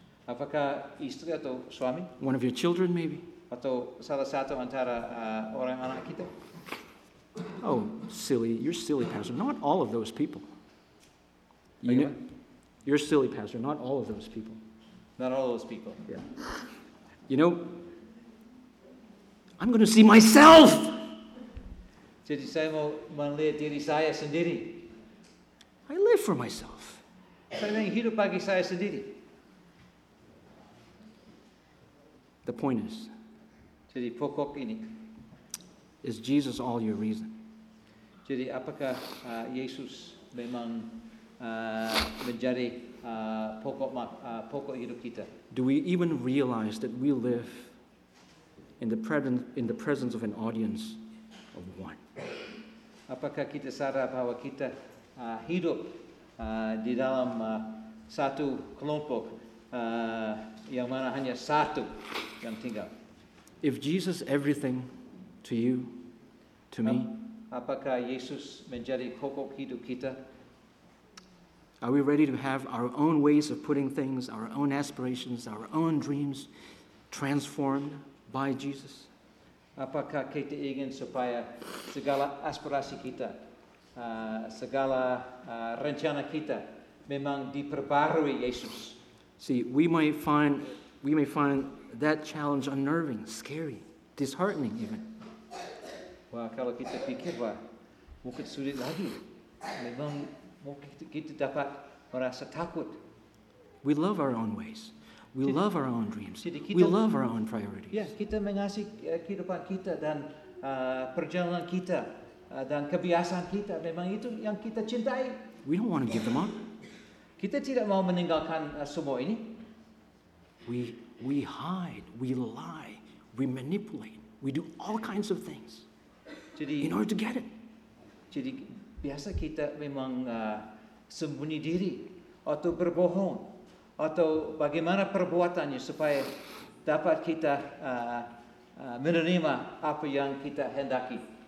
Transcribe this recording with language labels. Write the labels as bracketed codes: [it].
[id] Apakah istri atau suami? [en] One of your children, maybe? [id] Atau salah satu antara orang anak kita? [en] Oh, silly. You're silly, Pastor. Not all of those people. You're silly, Pastor. Not all of those people. Not all those people. Yeah. You know, I'm going to see myself. [id] Jadi saya mau melihat diri saya sendiri. [en] I live for myself. [id] Saya hidup bagi saya sendiri. [en] The point is. [id] Jadi pokok ini. [en] Is Jesus all your reason? [id] Jadi apakah Yesus memang menjadi pokok hidup kita? [en] Do we even realize that we live in the presence of an audience of one? [id] Apakah kita sadar bahwa kita hidup di dalam satu kelompok yang mana hanya satu yang tinggal? [en] If Jesus everything to you, to me, [id] apakah Yesus menjadi pokok hidup kita? [en] Are we ready to have our own ways of putting things, our own aspirations, our own dreams transformed by Jesus? [id] Apakah kita ingin supaya segala aspirasi kita, segala rencana kita memang diperbarui Yesus? [en] See, we may find that challenge unnerving, scary, disheartening even. [id] Wah, kalau kita pikir wah, mungkin sulit lagi. Memang mungkin kita dapat merasa takut. [en] We love our own ways. We love our own dreams. We love our own priorities. [id] Yeah, kita mengasihi kehidupan kita dan perjalanan kita dan kebiasaan kita. Memang itu yang kita cintai. [en] We don't want to give them up. [id] Kita tidak mau meninggalkan semua ini. [en] We hide, we lie, we manipulate, we do all kinds of things in order to get it. [id] Jadi biasa kita memang sembunyi diri atau berbohong. Atau bagaimana perbuatannya supaya dapat kita menerima apa yang kita hendaki.